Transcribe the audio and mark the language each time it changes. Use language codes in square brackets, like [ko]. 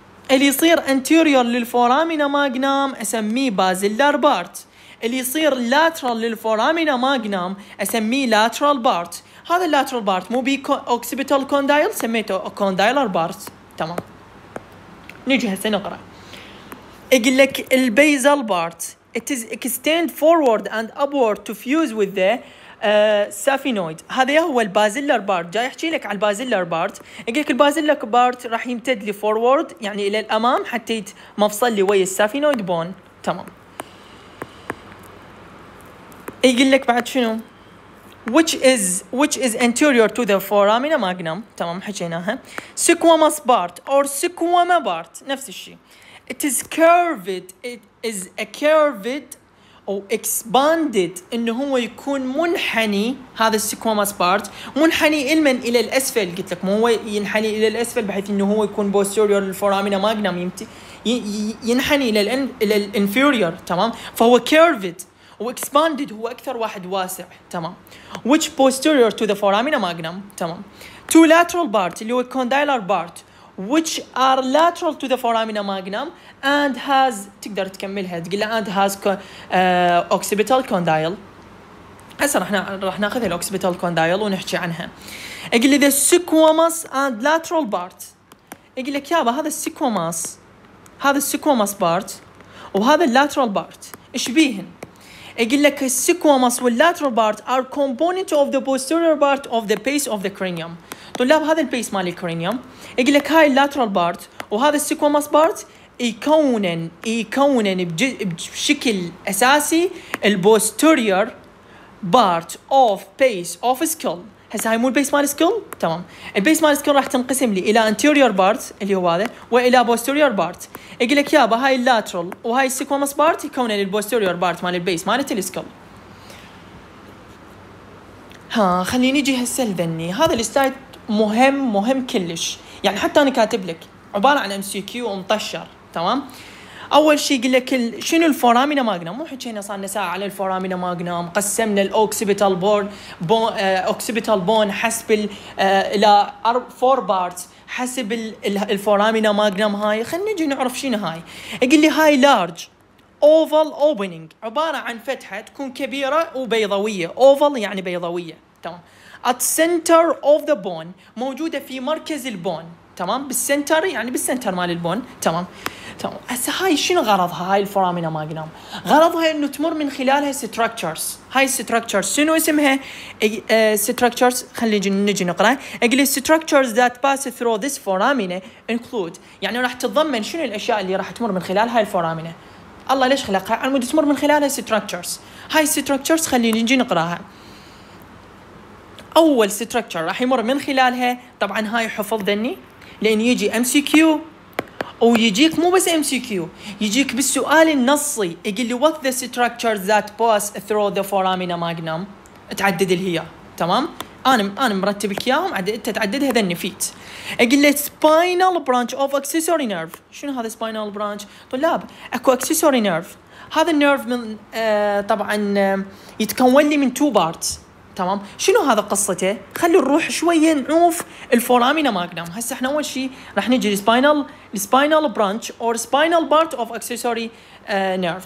[ar] اللي يصير انتيريور للفورامينا ماجنوم اسميه بازيلار بارت اللي يصير lateral للفورامينا ماجنام أسميه lateral part هذا lateral part مو بي occipital condyle سميته condylar part تمام نجي هسه نقرأ يقول لك البيزل بارت [en] it is extend forward and upward to fuse with the saphenoid. [ar] هذا هو البازيلر بارت. جاي احكي لك على البازيلر بارت. يقول لك البازيلر بارت راح يمتد لي فورورد يعني الى الامام حتى يتمفصل لي ويا السافينويد بون. تمام. يقول لك بعد شنو [en] which is anterior to the foramina magnum. [ar] تمام حكيناها. سكوامس بارت or سكواما بارت نفس الشيء. [en] It is curved. It is a curved or expanded. [ar] إنه هو يكون منحني هذا السكوامس بارت. منحني إلمن إلى الأسفل. قلت لك مو هو ينحني إلى الأسفل بحيث إنه هو يكون posterior للفورامينا ماجنم يمتي ينحني إلى الانفيريور. تمام. فهو curved و expanded هو أكثر واحد واسع. تمام. [en] Which posterior to the foramina magnum. تمام. Two lateral parts [ar] اللي هو [en] condylar part. Which are lateral to the foramina magnum and has [ar] تقدر تكملها تقول [en] and has occipital condyle. [ar] هسه راح ناخذ الاوكسيبيتال كوندايل ونحكي عنها. يقول لي [en] the squamous and lateral part. [ar] يقول لك يابا هذا السكوماس هذا السكوماس بارت وهذا اللاترال بارت ايش بيهن. يقول لك السكوماس واللاترال بارت [en] are component of the posterior part of the base of the cranium. [ar] طلاب هذا البيس مال الكرينيوم. يقول لك هاي اللاترال بارت وهذا السكوماس بارت يكونن بشكل اساسي البوستيريور بارت اوف بيس اوف سكول. هسه هاي مو البيس مال سكول. تمام. البيس مال سكول راح تنقسم لي الى انتيريور بارت اللي هو هذا والى بوستيريور بارت. يقول لك يابا هاي اللاترال وهاي السكوماس بارت يكونن البوستيريور بارت مال البيس مال التلسكول. ها خليني اجي هسه لذني هذا الستايت مهم مهم كلش. يعني حتى انا كاتب لك عباره عن ام سي كيو ومطشر. تمام. اول شيء يقول لك شنو الفورامينا ماجنم. مو حكينا صار لنا ساعه على الفورامينا ماجنم. قسمنا الاوكسيبيتال بون اوكسيبيتال بون حسب الى فور بارتس حسب الفورامينا ماجنم. هاي خلينا نجي نعرف شنو هاي. يقول لي هاي لارج اوفال اوبننج عباره عن فتحه تكون كبيره وبيضاويه. اوفال يعني بيضاويه. تمام. [en] At center of the bone [ar] موجودة في مركز البون. تمام. بالسنتر يعني بالسنتر مال البون. تمام. تمام. هسه هاي شنو غرضها هاي الفورامينا ماجنم. غرضها انه تمر من خلالها structures. هاي structures شنو اسمها structures. خلينا نجي نقرأ. اقلي [en] structures that pass through this foramina include [ar] يعني راح تتضمن شنو الاشياء اللي راح تمر من خلال هاي الفورامينا. الله ليش خلقها على مود تمر من خلالها structures. هاي structures خلينا نجي نقرأها. أول structure راح يمر من خلالها طبعا هاي حفظ ذني لأن يجي MCQ ويجيك مو بس MCQ يجيك بالسؤال النصي يقول لي [en] what the structures that pass through the foramina magnum [ar] تعدد اللي هي. تمام. أنا مرتب لك إياهم أنت تعددها ذني فيت. يقول لي [en] spinal branch of accessory nerve. [ar] شنو هذا spinal branch طلاب. أكو accessory nerve هذا النيرف من طبعا يتكون لي من two parts. تمام. شنو هذا قصته؟ خلي نروح شويه نعوف الفورامينا ماجنم. هسه احنا اول شيء راح نجي السباينال برانش اور سباينال بارت اوف اكسسوري نيرف.